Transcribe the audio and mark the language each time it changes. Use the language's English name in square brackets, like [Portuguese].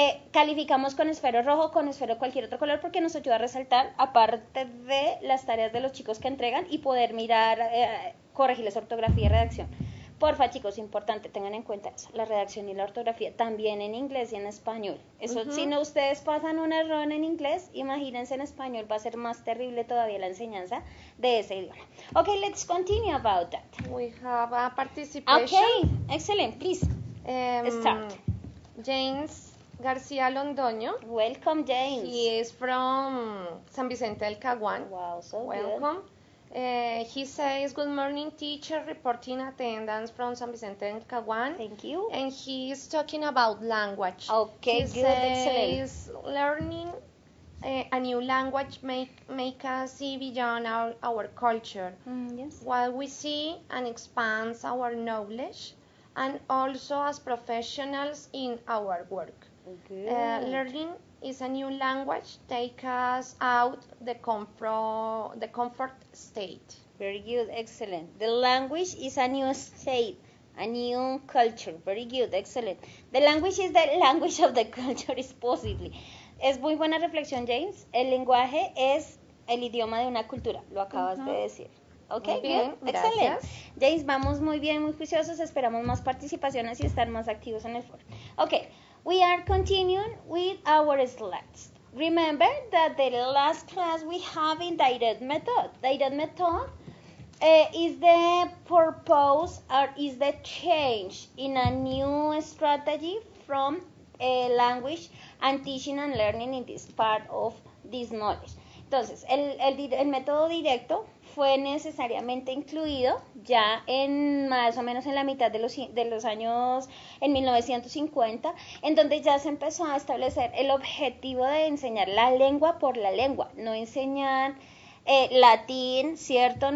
[Spanish] Calificamos con esfero rojo, con esfero cualquier otro color, porque nos ayuda a resaltar, aparte de las tareas de los chicos que entregan, y poder mirar, corregirles ortografía y redacción. Porfa, chicos, importante, tengan en cuenta eso, la redacción y la ortografía, también en inglés y en español. Eso, si no ustedes pasan un error en inglés, imagínense en español, va a ser más terrible todavía la enseñanza de ese idioma. [English] Ok, let's continue about that. We have a participation. Ok, excellent, please. Start. James García Londoño. Welcome, James. He is from San Vicente del Caguán. Wow, so welcome. Good. He says, good morning, teacher, reporting attendance from San Vicente del Caguán. Thank you. And he is talking about language. Okay, he good, says, excellent. Learning a new language make us see beyond our culture. Yes. While we see and expand our knowledge, and also as professionals in our work. Learning is a new language, take us out the comfort state. Very good, excellent. The language is a new state, a new culture. Very good, excellent. The language is the language of the culture, is possibly. [Spanish] Es muy buena reflexión, James. El lenguaje es el idioma de una cultura, lo acabas de decir. Ok, muy bien, excelente. Gracias. James, vamos muy bien, muy juiciosos, esperamos más participaciones y estar más activos en el foro. [English] Ok, we are continuing with our slides. Remember that the last class we have in Didact Method. Didact Method is the purpose or is the change in a new strategy from language and teaching and learning in this part of this knowledge. [Spanish] Entonces, el método directo fue necesariamente incluido ya en más o menos en la mitad de los años, en 1950, en donde ya se empezó a establecer el objetivo de enseñar la lengua por la lengua, no enseñar latín, ¿cierto?